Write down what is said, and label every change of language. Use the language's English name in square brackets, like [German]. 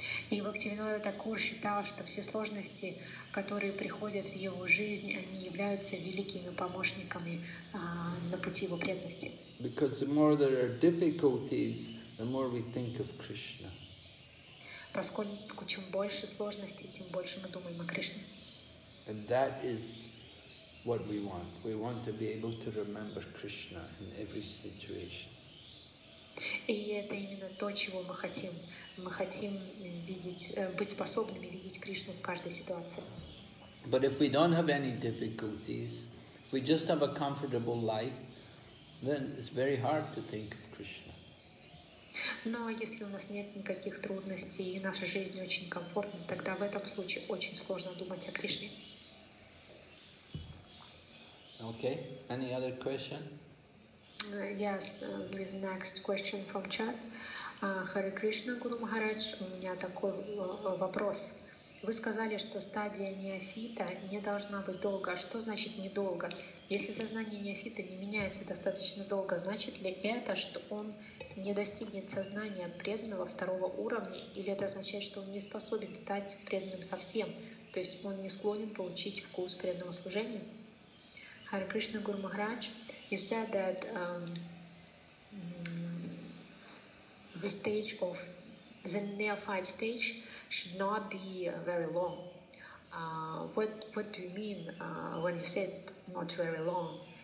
[Russian] И Бхактивинода Такур считал, что все сложности, которые приходят в его жизнь, они являются великими помощниками на пути его преданности. [English] Because the more there are difficulties, the more we think of Krishna. [Russian] Поскольку чем больше сложностей, тем больше мы думаем о Кришне. [English] And that is what we want. We want to be able to remember Krishna in every situation. [Russian] И это именно то, чего мы хотим. Мы хотим видеть, быть способными видеть Кришну в каждой ситуации. [English] But if we don't have any difficulties, we just have a comfortable life, then it's very hard to think of Krishna. [Russian] Но если у нас нет никаких трудностей и наша жизнь очень комфортна, тогда в этом случае очень сложно думать о Кришне. [English] Okay. Any other question? Yes. There is next question from chat. Hare Krishna, Guru Maharaj. [Russian] У меня такой вопрос. Вы сказали, что стадия неофита не должна быть долго. А что значит недолго? Если сознание неофита не меняется достаточно долго, значит ли это, что он не достигнет сознания преданного второго уровня, или это означает, что он не способен стать преданным совсем, то есть он не склонен получить вкус преданного служения? [English] Hare Krishna Guru Maharaj, you said that the stage of the neophyte stage should not be very long. What do you mean when you said not very long?